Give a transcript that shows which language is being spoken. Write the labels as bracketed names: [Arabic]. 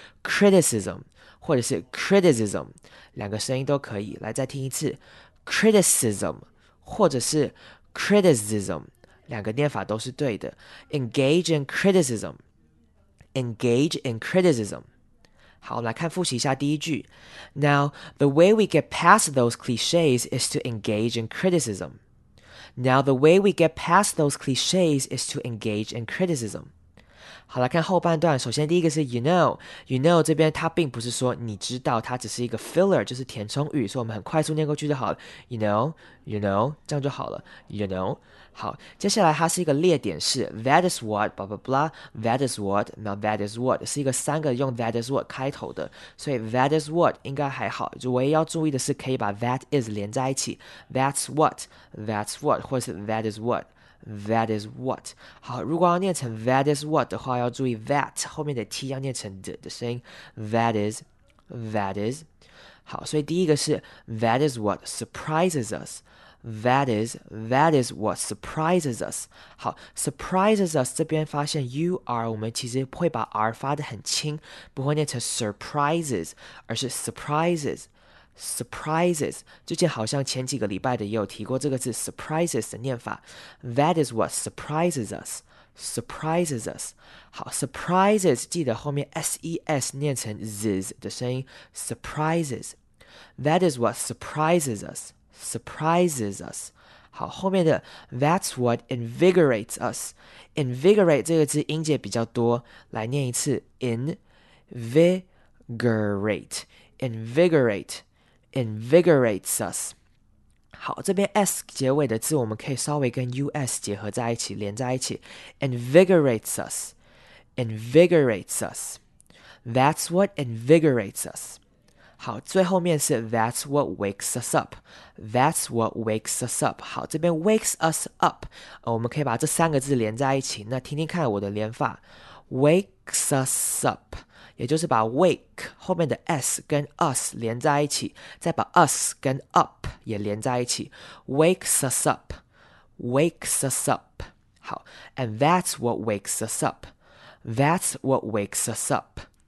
[Chinese] criticism 或者是 criticism 两个声音都可以。来，再听一次 criticism 或者是 criticism 两个念法都是对的。 [English] engage in criticism， engage in criticism。 [Chinese] 好，来看复习一下第一句。 [English] Now, the way we get past those cliches is to engage in criticism. Now, the way we get past those cliches is to engage in criticism. [Chinese] 好，来看后半段。首先第一个是 you know 这边它并不是说你知道，它只是一个 filler， 就是填充语，所以我们很快速念过去就好了。 You know, 这样就好了。 You know, 好，接下来它是一个列点式 ，that is what blah blah blah， that is what， now that is what 是一个三个用 that is what 开头的，所以 that is what 应该还好。就唯一要注意的是，可以把 that is 连在一起 ，that's what， 或者是 that is what。 [English] That is what. [Chinese] 好，如果要念成 that is what 的话，要注意 that 后面的 t 要念成 d 的声音。 [English] That is. [Chinese] 好，所以第一个是 [English] that is what surprises us. That is what surprises us. [Chinese] 好 ，surprises us 这边发现 u r 我们其实会把 r 发得很轻，不会念成 surprises， 而是 surprises。 Surprises， 之前好像前几个礼拜的也有提过这个字 surprises 的念法。 [English] That is what surprises us. Surprises us. [Chinese] 好 ，surprises 记得后面 s 念成 z 的声音。 [English] Surprises. That is what surprises us. Surprises us. [Chinese] 好，后面的 [English] that's what invigorates us. [Chinese] Invigorate 这个字音节比较多，来念一次 invigorate. [English] Invigorate. Invigorates us. [Chinese] 好，这边 s 结尾的字我们可以稍微跟 us 结合在一起，连在一起。 [English] Invigorates us. Invigorates us. That's what invigorates us. [Chinese] 好，最后面是 [English] that's what wakes us up. That's what wakes us up. [Chinese] 好，这边 [English] wakes us up. [Chinese] 我们可以把这三个字连在一起。那听听看我的连法。 [English] Wakes us up. [Chinese] 也就是把 wake 后面的 s 跟 us 连在一起，再把 us 跟 up 也连在一起， wakes us up， wakes us up， 好， [English] and that's what wakes us up， [Chinese] that's what wakes us up，